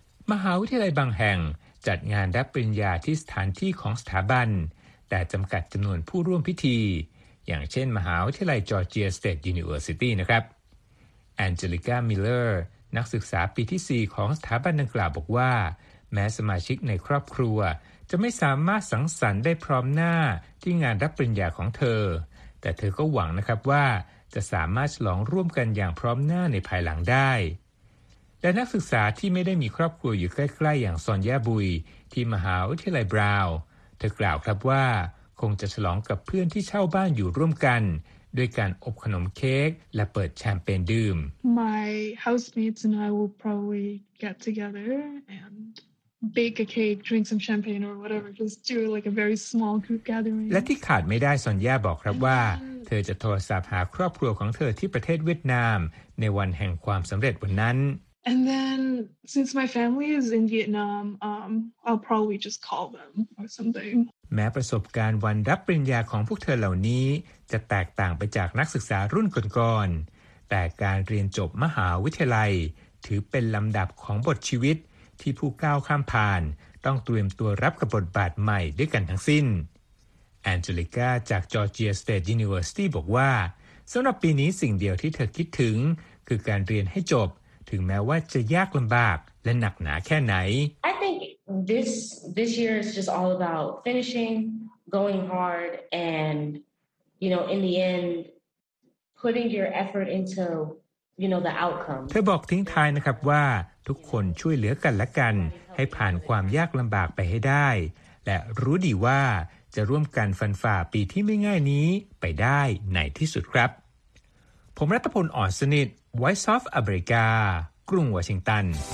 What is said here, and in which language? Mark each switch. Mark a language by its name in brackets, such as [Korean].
[Thai] มหาวิทยาลัยบางแห่งจัดงานรับปริญญาที่สถานที่ของสถาบันแต่จำกัดจำนวนผู้ร่วมพิธีอย่างเช่นมหาวิทยาลัยจอร์เจียสเตทยูนิเวอร์ซิตี้นะครับแองเจลิก้ามิลเลอร์นักศึกษาปีที่4ของสถาบันดังกล่าวบอกว่าแม้สมาชิกในครอบครัวจะไม่สามารถสังสรรค์ได้พร้อมหน้าที่งานรับปริญญาของเธอแต่เธอก็หวังนะครับว่าจะสามารถฉลองร่วมกันอย่างพร้อมหน้าในภายหลังได้ และนักศึกษาที่ไม่ได้มีครอบครัวอยู่ใกล้ๆอย่างซอนย่าบุยที่มหาวิทยาลัยบราวน์เธอกล่าวครับว่าคงจะฉลองกับเพื่อนที่เช่าบ้านอยู่ร่วมกันด้วยการอบขนมเค้กและเปิดแชมเปญดื่ม [English] My housemates and I will probably get together and bake a cake, drink some champagne or whatever, just do like a very small group gathering [Thai] และที่ขาดไม่ได้ซอนย่าบอกครับว่าเธอจะโทรศัพท์หาครอบครัวของเธอที่ประเทศเวียดนามในวันแห่งความสำเร็จวันนั้น [English] And then, since my family is in Vietnam, I'll probably just call them or something. [Thai] แม้ประสบการณ์วันรับปริญญาของพวกเธอเหล่านี้จะแตกต่างไปจากนักศึกษารุ่นก่อนๆแต่การเรียนจบมหาวิทยาลัยถือเป็นลำดับของบทชีวิตที่ผู้ก้าวข้ามผ่านต้องเตรียมตัวรับกับบทบาทใหม่ด้วยกันทั้งสิ้น Angelica จาก Georgia State University บอกว่าสำหรับปีนี้สิ่งเดียวที่เธอคิดถึงคือการเรียนให้จบถึงแม้ว่าจะยากลำบากและหนักหนาแค่ไหน [English] I think this year is just all about finishing, going hard, and you know, in the end, putting your effort into you know the outcome. [Thai] เธอบอกทิ้งท้ายนะครับว่าทุกคนช่วยเหลือกันและกันให้ผ่านความยากลำบากไปให้ได้และรู้ดีว่าจะร่วมกันฟันฝ่าปีที่ไม่ง่ายนี้ไปได้ในที่สุดครับผมรัฐพลอ่อนสนิทVoice of America กรุงวอชิงตัน